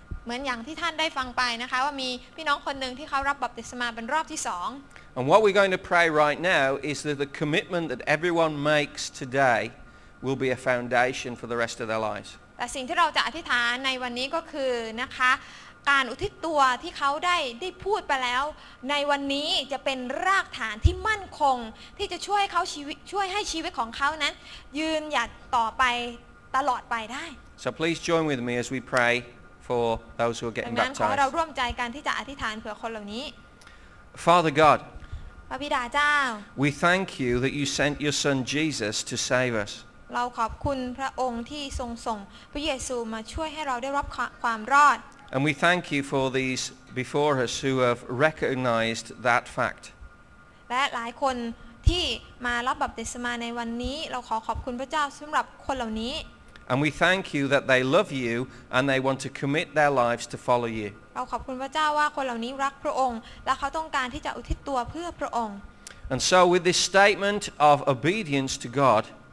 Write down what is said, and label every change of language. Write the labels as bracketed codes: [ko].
[th] เหมือนอย่างที่ท่านได้ฟังไปนะคะว่ามีพี่น้องคนหนึ่งที่เขารับบัพติศมาเป็นรอบที่สอง [en] And what we're going to pray right now is that the commitment that everyone makes today will be a foundation for the rest of their lives. [th] แต่สิ่งที่เราจะอธิษฐานในวันนี้ก็คือนะคะการอุทิศตัวที่เขาได้พูดไปแล้วในวันนี้จะเป็นรากฐานที่มั่นคงที่จะช่วยเขาชีวิตช่วยให้ชีวิตของเขานั้นยืนหยัดต่อไปตลอดไปได้ [en] So please join with me as we pray for those who are getting baptized. [th] ดังนั้นขอเราร่วมใจกันที่จะอธิษฐานเผื่อคนเหล่านี้ [en] Father God. [th] พระบิดาเจ้า [en] We thank you that you sent your son Jesus to save us. [th] เราขอบคุณพระองค์ที่ทรงส่งพระเยซูมาช่วยให้เราได้รับความรอด [en] And we thank you for these before us who have recognized that fact. [th] และหลายคนที่มารับบัพติศมาในวันนี้เราขอขอบคุณพระเจ้าสําหรับคนเหล่านี้ [en] And we thank you that they love you and they want to commit their lives to follow you [th] เราขอบคุณพระเจ้าว่าคนเหล่านี้รักพระองค์และเขาต้องการที่จะอุทิศตัวเพื่อพระองค์ [en] And so with this statement of obedience to God